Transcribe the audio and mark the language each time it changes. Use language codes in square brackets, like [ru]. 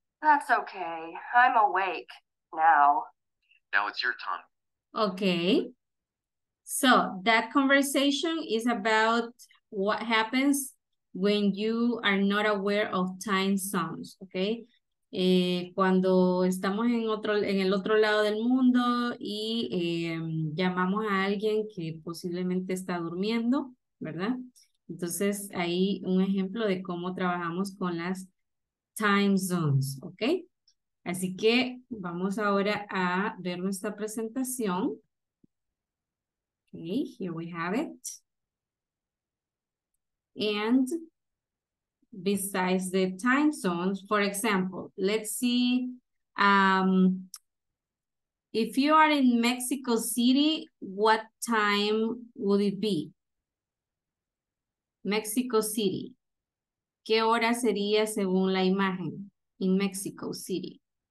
[en] That's okay. I'm awake now. Now it's your time. Okay. So that conversation is about what happens when you are not aware of time zones, okay? [es] Cuando estamos en el otro lado del mundo y llamamos a alguien que posiblemente está durmiendo, ¿verdad? Entonces, ahí un ejemplo de cómo trabajamos con las time zones, okay? Así que vamos ahora a ver nuestra presentación. [en] Okay, here we have it. And besides the time zones, for example, let's see, if you are in Mexico City, what time would it be? Mexico City. [es] ¿Qué hora sería según la imagen [en] in Mexico City?